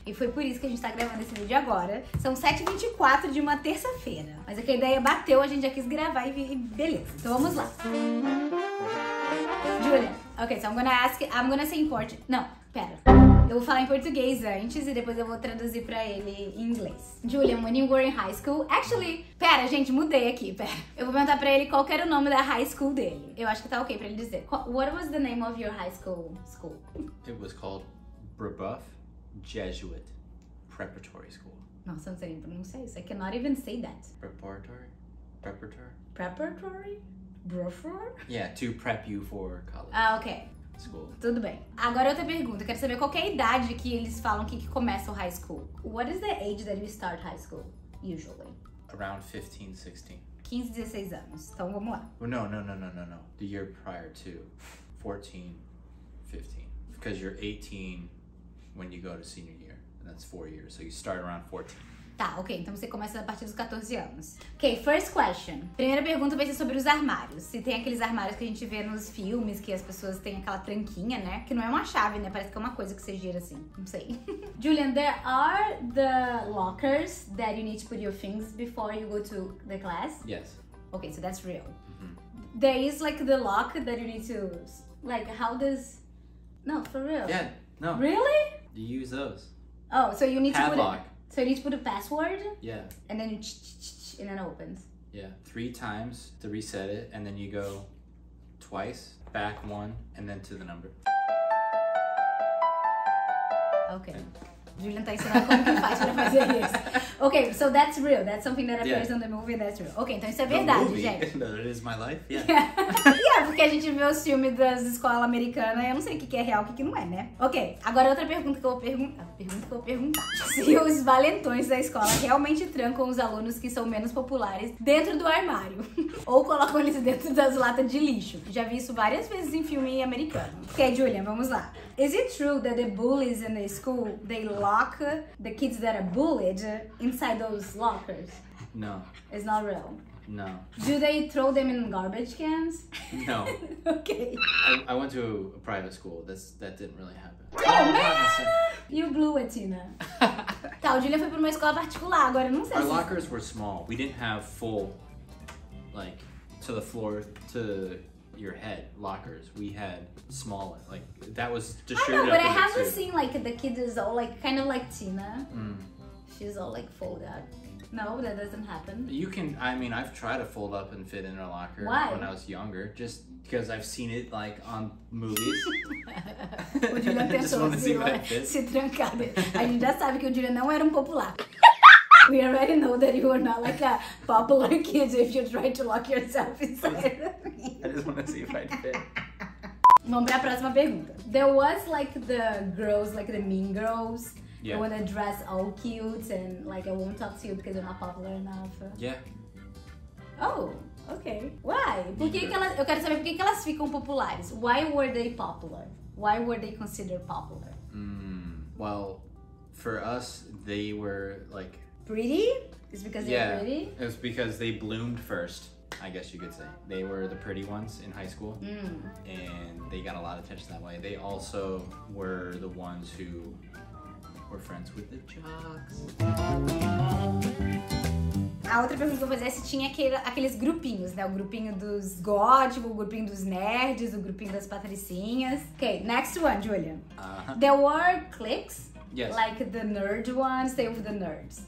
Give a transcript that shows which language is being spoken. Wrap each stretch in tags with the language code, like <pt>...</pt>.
<pt>E foi por isso que a gente tá gravando esse vídeo agora. São 7h24 de uma terça-feira. Mas aqui a ideia bateu, a gente já quis gravar e beleza. Então vamos lá.</pt> <en>Julia. Ok, so I'm gonna say in Portuguese.</en> <pt>Não, pera. Eu vou falar em português antes e depois eu vou traduzir pra ele em inglês.</pt> <en>Julian, when you were in high school, actually...</en> <pt>Pera, gente, mudei aqui, pera. Eu vou perguntar pra ele qual que era o nome da high school dele. Eu acho que tá ok pra ele dizer.</pt> <en>What was the name of your high school? It was called Brebeuf Jesuit Preparatory School.</en> <pt>Nossa, não sei nem pronunciar isso.</pt> <en>I cannot even say that. Preparatory? Brofor? Yeah, to prep you for college. Ah, ok. School.</en> <pt>Tudo bem. Agora outra pergunta. Quero saber qual que é a idade que eles falam que começa o high school.</pt> <en>What is the age that you start high school, usually? Around 15, 16.</en> <pt>15, 16 anos. Então vamos lá.</pt> <en>No. The year prior to 14, 15. Because you're 18 when you go to senior year. And that's 4 years. So you start around 14.</en> <pt>Tá, ok. Então você começa a partir dos 14 anos.</pt> <en>Ok, first question.</en> <pt>Primeira pergunta vai ser sobre os armários. Se tem aqueles armários que a gente vê nos filmes, que as pessoas têm aquela tranquinha, né? Que não é uma chave, né? Parece que é uma coisa que você gira assim. Não sei.</pt> <en>Julian, there are the lockers that you need to put your things before you go to the class? Yes. Ok, so that's real. Mm-hmm. There is like the lock that you need to... Like, how does... No, for real. Yeah, no. Really? You use those. Oh, so you need padlock. To put... So you need to put a password? Yeah. And then you ch-ch-ch-ch and then it opens. Yeah, three times to reset it and then you go twice, back one, and then to the number. Okay.</en> <pt>Julian tá ensinando como que faz pra fazer isso.</pt> <en>Okay, so that's real. That's something that appears yeah. on the movie and that's real. Okay,</en> <pt>então isso é verdade,</pt> <en>movie,</en> <pt>gente.</pt> <en>That is my life? Yeah.</en> <pt>Yeah. Yeah, porque a gente vê os filmes das escolas americanas e eu não sei o que é real e o que não é, né? Ok, agora outra pergunta que eu vou perguntar. Se os valentões da escola realmente trancam os alunos que são menos populares dentro do armário. Ou colocam eles dentro das latas de lixo. Já vi isso várias vezes em filme americano. Ok, Julian, vamos lá.</pt> <en>Is it true that the bullies in the school, they lock the kids that are bullied inside those lockers? No. It's not real? No. Do they throw them in garbage cans? No. Okay. I went to a private school. That didn't really happen. Oh, man! You blew it, Tina.</en> <pt>Tá, o Julian foi pra uma escola particular, agora não sei.</pt> <en>Our lockers were small. We didn't have full, like, to the floor, to... your head lockers. We had smaller, like that was distributed. I know, but I haven't seen like the kid is all like kind of like Tina. Mm. She's all like fold up. No, that doesn't happen. You can, I mean, I've tried to fold up and fit in a locker. Why? When I was younger, just because I've seen it like on movies.</en> <pt>O Julian tentou se trancar. A gente já sabe que o Julian não era popular.</pt> <en>We already know that you are not like a popular kid if you try to lock yourself inside. I just want to see if I fit.</en> <pt>Vamos pra próxima pergunta.</pt> <en>There was like the girls, like the mean girls. Yeah. The one that dress all cute and like I won't talk to you because you're not popular enough. Yeah. Oh, okay. Why?</en> <pt>Eu quero saber por que elas ficam populares.</pt> <en>Why were they popular? Why were they considered popular? Well, for us, they were like... Pretty? It's because they're pretty? It was because they bloomed first, I guess you could say. They were the pretty ones in high school, and they got a lot of attention that way. They also were the ones who were friends with the jocks.</en> <pt>A outra pergunta que eu vou fazer é se tinha aqueles grupinhos, né? O grupinho dos góticos, o grupinho dos nerds, o grupinho das patricinhas.</pt> <en>Okay, next one, Julia. There were cliques? Yes. Like the nerd ones, they were the nerds.</en>